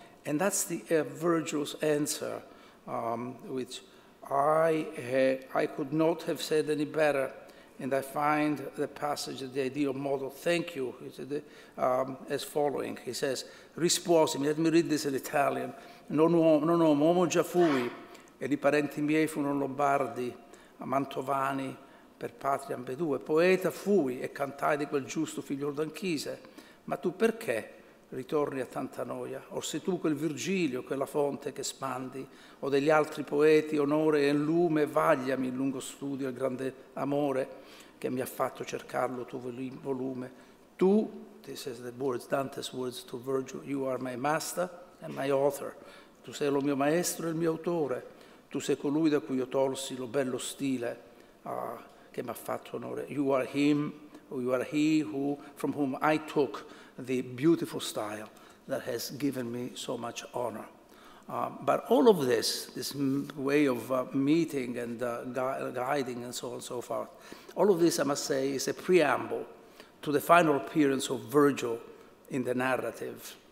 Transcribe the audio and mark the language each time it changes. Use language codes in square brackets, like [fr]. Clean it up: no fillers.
[en] And that's the Virgil's answer, which I could not have said any better. And I find the passage, the ideal model, thank you, as following. He says, risposimi, let me read this in Italian. [it] Non uomo, uomo già fui, e i parenti miei furono lombardi, mantovani, per patria ambedue. Poeta fui e cantai di quel giusto figliol d'Anchise, ma tu perché ritorni a tanta noia? Or sei tu quel Virgilio, quella fonte che spandi, o degli altri poeti onore e lume, vagliami il lungo studio e il grande amore che mi ha fatto cercarlo tuo volume. [en] Tu, this is the words, Dante's words to Virgil, you are my master and my author. [it] Tu sei lo mio maestro e il mio autore. Tu sei colui da cui io tolsi lo bello stile che mi ha fatto onore. [en] You are him, or you are he who, from whom I took the beautiful style that has given me so much honor. But all of this, this way of meeting and guiding and so on and so forth, all of this, I must say, is a preamble to the final appearance of Virgil in the narrative.